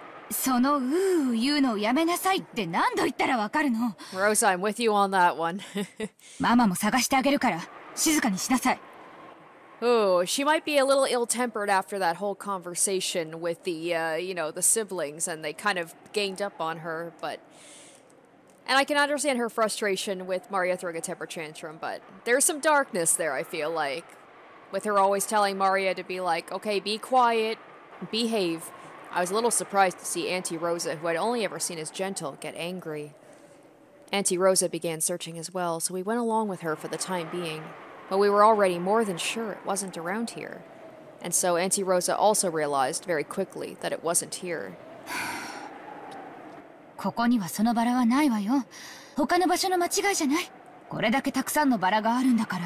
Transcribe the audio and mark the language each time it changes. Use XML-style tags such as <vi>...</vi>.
<ja>そのううう言うのをやめなさいって何度言ったらわかるの？</ja> <en>Rosa, I'm with you on that one.</en> <ja>ママも探してあげるから、静かにしなさい。</ja> <en>Oh, she might be a little ill-tempered after that whole conversation with the, you know, the siblings, and they kind of ganged up on her, but... And I can understand her frustration with Maria throwing a temper tantrum, but there's some darkness there, I feel like. With her always telling Maria to be like, okay, be quiet, behave. I was a little surprised to see Auntie Rosa, who I'd only ever seen as gentle, get angry. Auntie Rosa began searching as well, so we went along with her for the time being. But we were already more than sure it wasn't around here. And so Auntie Rosa also realized very quickly that it wasn't here.</en> <ja>ここにはそのバラはないわよ。他の場所の間違いじゃない。これだけたくさんのバラがあるんだから。</ja>